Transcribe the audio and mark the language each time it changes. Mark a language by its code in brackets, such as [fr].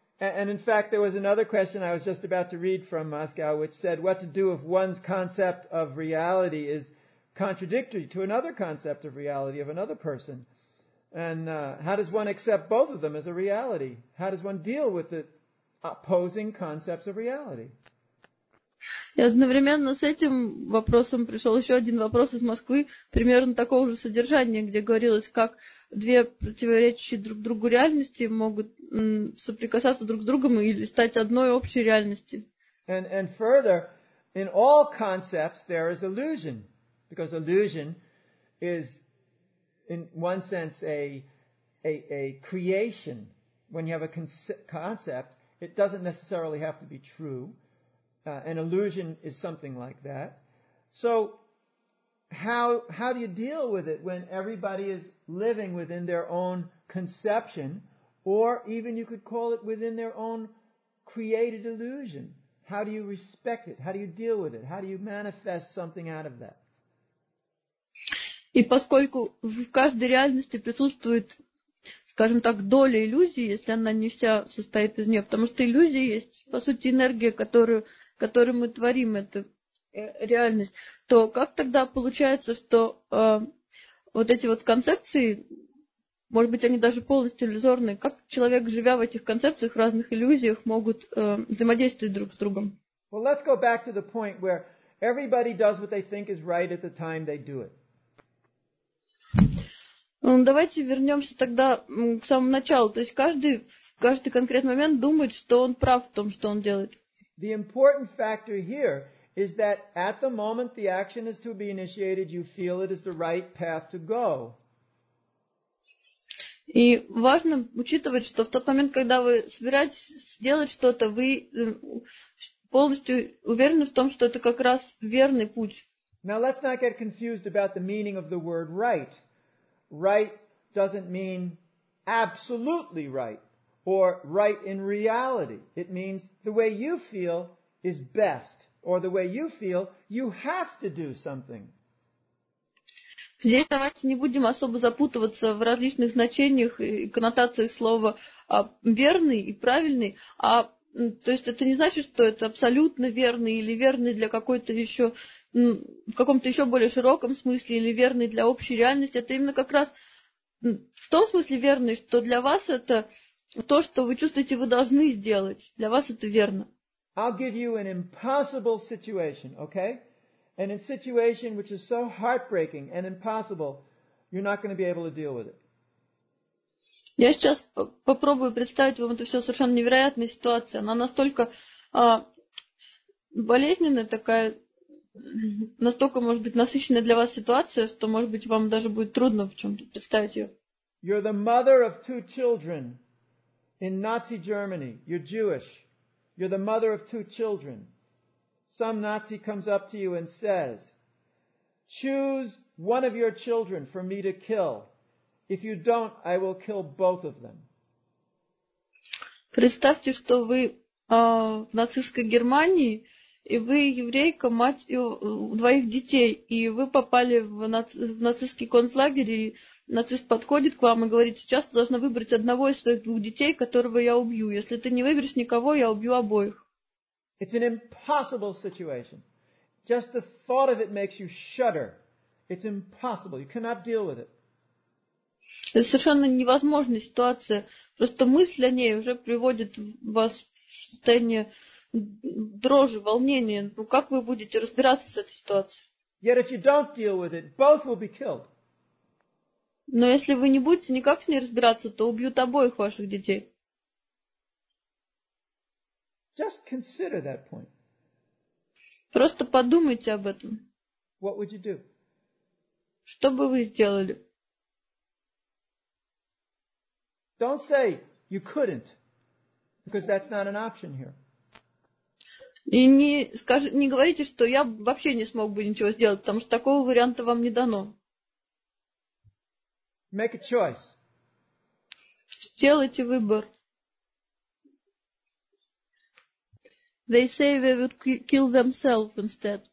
[en] And in fact, there was another question I was just about to read from Moscow, which said, what to do if one's concept of reality is contradictory to another concept of reality of another person? And how does one accept both of them as a reality? How does one deal with the opposing concepts of reality? [ru] И одновременно с этим вопросом пришел еще один вопрос из Москвы, примерно такого же содержания, где говорилось, как две противоречащие друг другу реальности могут соприкасаться друг с другом или стать одной общей реальности. [en] And further, in all concepts there is illusion, because illusion is in one sense a creation. When you have a concept, it doesn't necessarily have to be true. An illusion is something like that. So how do you deal with it when everybody is living within their own conception, or even you could call it within their own created illusion? How do you respect it? How do you deal with it? How do you manifest something out of that? [ru] И поскольку в каждой реальности присутствует, скажем так, доля иллюзии, если она не вся состоит из нее, потому что иллюзия есть, по сути, энергия, которую мы творим, эту реальность, то как тогда получается, что вот эти вот концепции, может быть, они даже полностью иллюзорные, как человек, живя в этих концепциях, в разных иллюзиях, могут взаимодействовать друг с другом? [en] Well, let's go back to the point where everybody does what they think is right at the time they do it. [ru] Давайте вернемся тогда к самому началу. То есть каждый конкретный момент думает, что он прав в том, что он делает. [en] The important factor here is that at the moment the action is to be initiated, you feel it is the right path to go. [ru] И важно учитывать, что в тот момент, когда вы собираетесь сделать что-то, вы полностью уверены в том, что это как раз верный путь. [en] Now let's not get confused about the meaning of the word right. Right doesn't mean absolutely right or right in reality. It means the way you feel is best or the way you feel you have to do something. [ru] Здесь давайте не будем особо запутываться в различных значениях и коннотациях слова верный и правильный, а то есть это не значит, что это абсолютно верный или верный для какой-то еще в каком-то еще более широком смысле или верный для общей реальности, это именно как раз в том смысле верный, что для вас это то, что вы чувствуете, вы должны сделать. Для вас это верно. [en] I'll give you an impossible situation, okay? And a situation which is so heartbreaking and impossible, you're not going to be able to deal with it. [ru] Я сейчас попробую представить вам это все совершенно невероятная ситуация. Она настолько болезненная такая, настолько, может быть, насыщенная для вас ситуация, что, может быть, вам даже будет трудно в чем-то представить ее. [en] You're the mother of two children in Nazi Germany. You're Jewish. You're the mother of two children. Some Nazi comes up to you and says, choose one of your children for me to kill. If you don't, I will kill both of them. [ru] Представьте, что вы в нацистской Германии, и вы еврейка, мать двоих детей, и вы попали в нацистский концлагерь, и нацист подходит к вам и говорит, сейчас ты должна выбрать одного из своих двух детей, которого я убью. Если ты не выберешь никого, я убью обоих. [en] It's an impossible situation. Just the thought of it makes you shudder. It's impossible. You cannot deal with it. [ru] Это совершенно невозможная ситуация. Просто мысль о ней уже приводит вас в состояние дрожи, волнения. Ну как вы будете разбираться с этой ситуацией? [en] Yet if you don't deal with it, both will be killed. [ru] Но если вы не будете никак с ней разбираться, то убьют обоих ваших детей. [en] Just consider that point. [ru] Просто подумайте об этом. [en] What would you do? [ru] Что бы вы сделали? [en] Don't say you couldn't, because that's not an option here. [ru] И не говорите, что я вообще не смог бы ничего сделать, потому что такого варианта вам не дано. [en] Make a choice. [ru] Сделайте выбор. [en] They say they would kill themselves instead.